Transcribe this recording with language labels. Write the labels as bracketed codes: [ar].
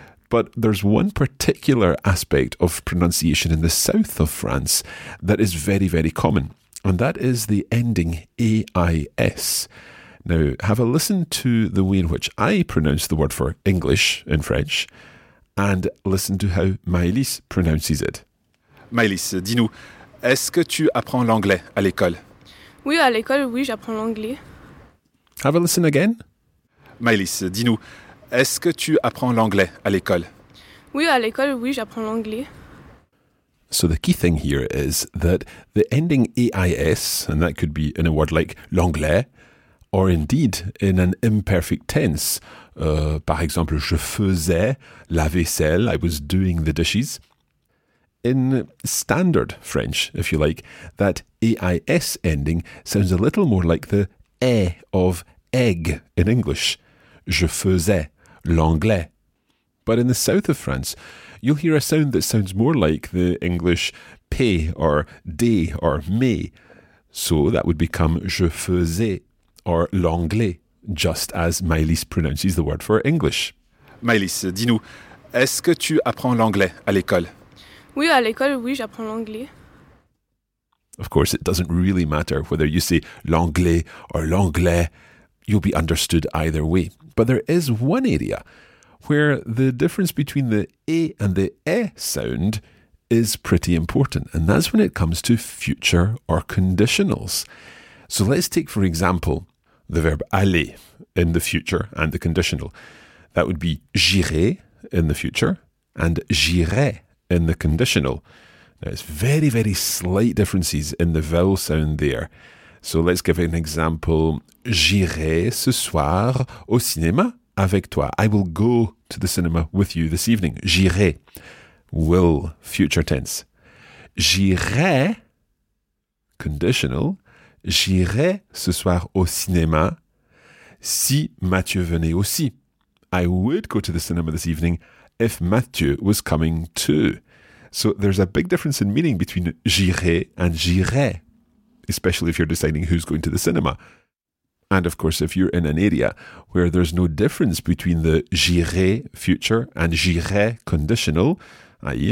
[en] But there's one particular aspect of pronunciation in the south of France that is very, very common. And that is the ending A-I-S. Now, have a listen to the way in which I pronounce the word for English in French and listen to how Maëlys pronounces it. [fr] Maëlys, dis-nous, est-ce que tu apprends l'anglais à l'école? Oui, à l'école, oui, j'apprends l'anglais. [en] Have a listen again. [fr] Maëlys, dis-nous, est-ce que tu apprends l'anglais à l'école? Oui, à l'école, oui, j'apprends l'anglais. [en] So the key thing here is that the ending AIS, and that could be in a word like l'anglais, or indeed in an imperfect tense, [fr] par exemple, je faisais la vaisselle, [en] I was doing the dishes. In standard French, if you like, that AIS ending sounds a little more like the E of egg in English. [fr] Je faisais l'anglais. [en] But in the south of France, you'll hear a sound that sounds more like the English pay or day or may. So that would become [fr] je faisais [en] or l'anglais, just as Maëlys pronounces the word for English. [fr] Maëlys, dis-nous, est-ce que tu apprends l'anglais à l'école? Oui, à l'école, oui, j'apprends l'anglais. [en] Of course, it doesn't really matter whether you say l'anglais or l'anglais. You'll be understood either way. But there is one area where the difference between the E and the E sound is pretty important, and that's when it comes to future or conditionals. So let's take, for example, the verb aller in the future and the conditional. That would be j'irai in the future and j'irai in the conditional. Now, it's very, very slight differences in the vowel sound there. So let's give an example. [fr] J'irai ce soir au cinéma avec toi. [en] I will go to the cinema with you this evening. J'irai. Will, future tense. J'irai, conditional. [fr] J'irai ce soir au cinéma si Mathieu venait aussi. [en] I would go to the cinema this evening if Mathieu was coming too. So there's a big difference in meaning between j'irai and j'irai, especially if you're deciding who's going to the cinema. And of course, if you're in an area where there's no difference between the j'irai future and j'irai conditional, i.e.